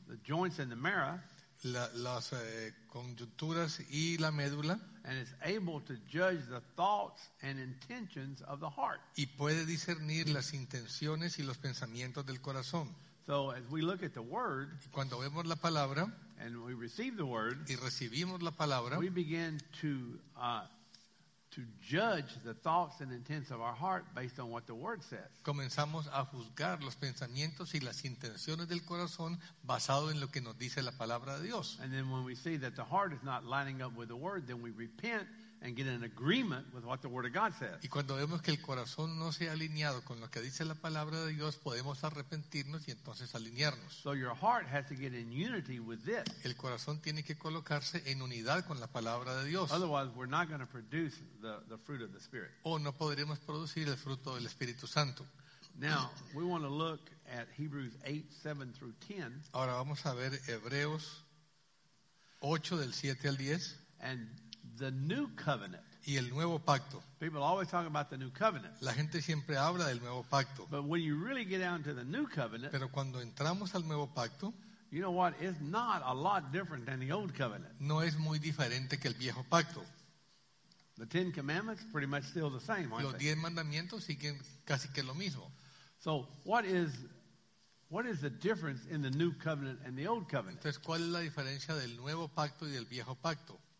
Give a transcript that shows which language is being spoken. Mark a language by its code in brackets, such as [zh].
[en] The joints and the marrow. [es] Las conjunturas y la médula. [en] And is able to judge the thoughts and intentions of the heart. [es] Y puede discernir las intenciones y los pensamientos del corazón. [en] So as we look at the word, [es] cuando vemos la palabra, [en] and we receive the word, [es] y recibimos la palabra, [en] we begin to judge the thoughts and intents of our heart based on what the word says. [es] Comenzamos a juzgar los pensamientos y las intenciones del corazón basado en lo que nos dice la palabra de Dios. [en] And then when we see that the heart is not lining up with the word, then we repent and get in agreement with what the word of God says. [es] Y cuando vemos que el corazón no se ha alineado con lo que dice la palabra de Dios, podemos arrepentirnos y entonces alinearnos. [en] So your heart has to get in unity with this. [es] El corazón tiene que colocarse en unidad con la palabra de Dios. [en] Otherwise, we're not going to produce the fruit of the Spirit. [es] O no podremos producir el fruto del Espíritu Santo. [en] Now, we want to look at Hebrews 8:7-10. [es] Ahora vamos a ver Hebreos 8 del 7 al 10. [en] And the new covenant. [es] Y el nuevo pacto. [en] People always talk about the new covenant. [es] La gente siempre habla del nuevo pacto. [en] But when you really get down to the new covenant, [es] pero cuando entramos al nuevo pacto, [en] you know what? It's not a lot different than the old covenant. [es] No es muy diferente que el viejo pacto. [en] The Ten Commandments pretty much still the same, aren't they? [es] Los diez mandamientos siguen casi que lo mismo. [en] So what is the difference in the new covenant and the old covenant? [es] Entonces, ¿cuál es la diferencia del nuevo pacto y del viejo pacto?